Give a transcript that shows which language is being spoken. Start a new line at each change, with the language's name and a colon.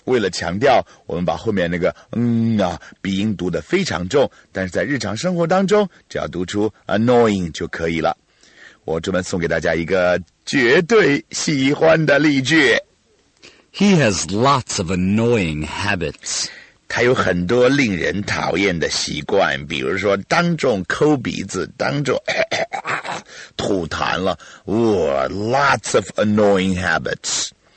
Chinese: 强调我们把后面那个嗯啊鼻音读得非常重，但是在日常生活当中只要读出 annoying 就可以了。我专门送给大家一个绝对喜欢的例句。
English: He has lots of annoying habits.
Chinese: 他有很多令人讨厌的习惯，比如说当众抠鼻子，当众吐痰了。
English: Lots of annoying habits.